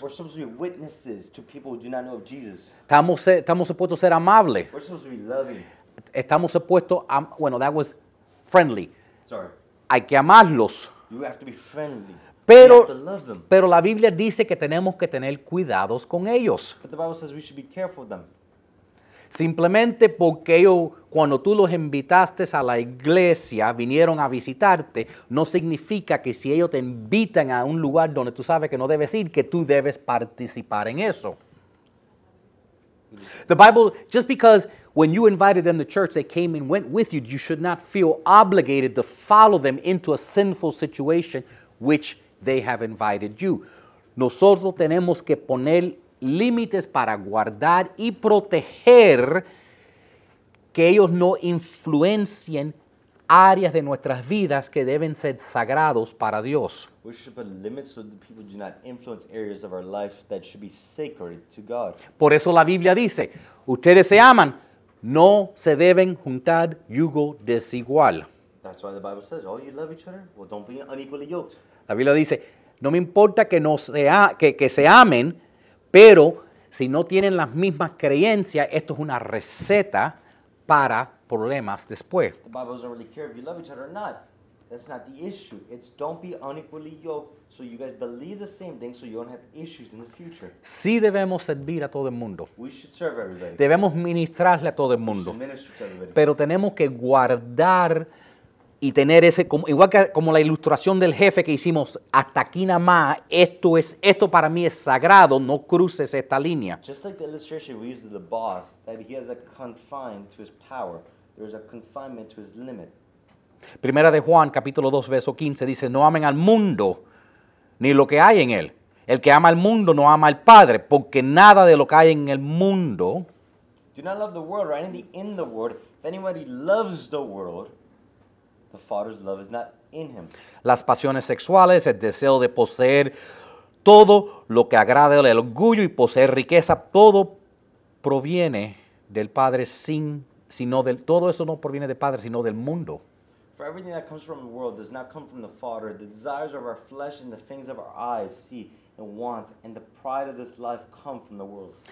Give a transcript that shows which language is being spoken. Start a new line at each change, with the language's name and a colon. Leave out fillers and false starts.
English: We're supposed to be witnesses to people who do not know of Jesus.
Spanish: Estamos supuestos ser amables.
English: We're supposed to be loving.
Spanish: Estamos supuestos a, bueno,
English: that was friendly. Sorry.
Spanish: Hay que amarlos.
English: You have to be friendly.
Spanish: Pero, pero la Biblia dice que tenemos que tener cuidados con ellos.
English: But the Bible says we should be careful of them.
Spanish: Simplemente porque ellos, cuando tú los invitaste a la iglesia, vinieron a visitarte, no significa que si ellos te invitan a un lugar donde tú sabes que no debes ir, que tú debes participar en eso.
English: The Bible, just because when you invited them to church, they came and went with you, you should not feel obligated to follow them into a sinful situation which they have invited you.
Spanish: Nosotros tenemos que poner límites para guardar y proteger que ellos no influencien áreas de nuestras vidas que deben ser sagrados para Dios.
English: We should put limits so that people do not influence areas of our life that should be sacred to God.
Spanish: Por eso la Biblia dice, ustedes se aman, no se deben juntar yugo desigual.
English: That's why the Bible says, oh, you love each other? Well, don't be unequally yoked.
Spanish: La Biblia dice, no me importa que, no sea, que se amen, pero si no tienen las mismas creencias, esto es una receta para problemas después.
English: The Bible doesn't really care if you love each other or not. That's not the issue. It's don't be unequally yoked so you guys believe the same thing so you don't have issues in the future.
Spanish: Sí debemos servir a todo el mundo.
English: We should serve everybody.
Spanish: Debemos ministrarle a todo el mundo.
English: We should minister to everybody.
Spanish: Pero tenemos que guardar y tener ese, como, igual que como la ilustración del jefe que hicimos, hasta aquí nada más, esto para mí es sagrado, no cruces esta línea.
English: Just like the illustration we used of the boss, that he has a confine to his power. There's a confinement to his limit.
Spanish: Primera de Juan, capítulo 2, verso 15, dice, no amen al mundo, ni lo que hay en él. El que ama al mundo no ama al Padre, porque nada de lo que hay en el mundo.
English: Do not love the world, right? In the world, if anybody loves the world, the Father's love is not in him.
Spanish: Las pasiones sexuales, el deseo de poseer todo lo que agrada el orgullo y poseer riqueza, todo proviene del Padre sino del mundo.
English: For everything that comes from the world does not come from the Father. The desires of our flesh and the things of our eyes see and want and the pride of this life come from the world.